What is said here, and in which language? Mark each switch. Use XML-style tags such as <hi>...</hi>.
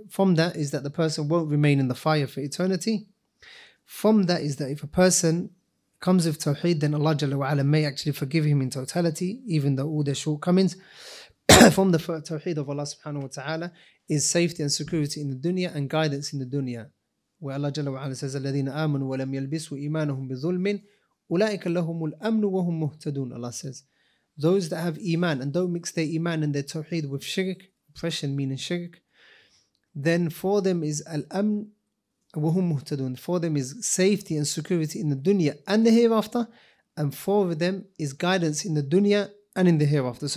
<en>From that is that the person won't remain in the fire for eternity. From that is that if a person comes with Tawheed, then Allah Jalla wa'ala may actually forgive him in totality, even though all their shortcomings from the Tawheed of Allah subhanahu wa ta'ala is safety and security in the dunya and guidance in the dunya. Where Allah Jalla wa'ala says,</en> <ar>الَّذِينَ آمَنُوا وَلَمْ يَلْبِسُوا إِيمَانَهُمْ بِظُلْمٍ أُولَٰئِكَ لَهُمُ الْأَمْنُ وَهُمْ مُهْتَدُونَ.</ar> <en>Allah says, those that have iman and don't mix their iman and their Tawheed with shirk, oppression meaning shirk, then for them is al-amn, for them is safety and security in the dunya and the hereafter, and for them is guidance in the dunya and in the hereafter.</en>